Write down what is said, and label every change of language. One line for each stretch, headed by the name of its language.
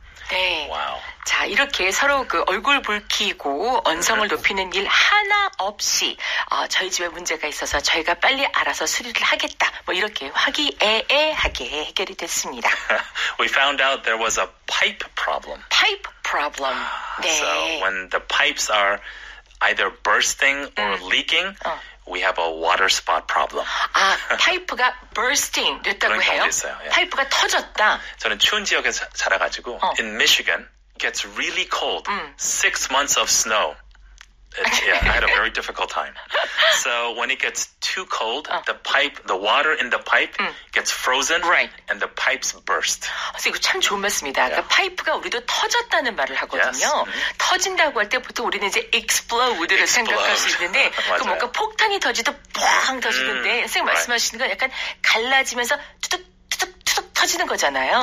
Korean: 네. 와우. 자, 이렇게 서로 그 얼굴 붉히고 언성을 높이는 일 하나 없이 저희 집에 문제가 있어서 저희가 빨리 알아서 수리를 하겠다. 뭐 이렇게 화기애애하게 해결이 됐습니다.
English: We found out there was a pipe problem. Pipe problem.
Korean: 네.
English: So when the pipes are either bursting or leaking, we have a water spot problem.
Korean: 아, 파이프가 bursting 됐다고 그런 해요? 있어요. 예. 파이프가 터졌다. 저는 추운 지역에 자라가지고
English: in Michigan. Gets really cold. Six months of snow. I had a very difficult time. So when it gets too cold, the pipe, the water in the pipe gets frozen, right. and the pipes burst.
Korean: 이거 참 좋은 말씀이다.
English: Yeah.
Korean: 그러니까 파이프가 우리도 터졌다는 말을 하거든요.
English: Yes.
Korean: 터진다고 할 때 보통 우리는 이제 explode를 생각할 수 있는데 그 뭔가 폭탄이 터지듯 뻥 터지는데 선생님 말씀하시는 건 약간 갈라지면서 뚜둑 터지는 거잖아요.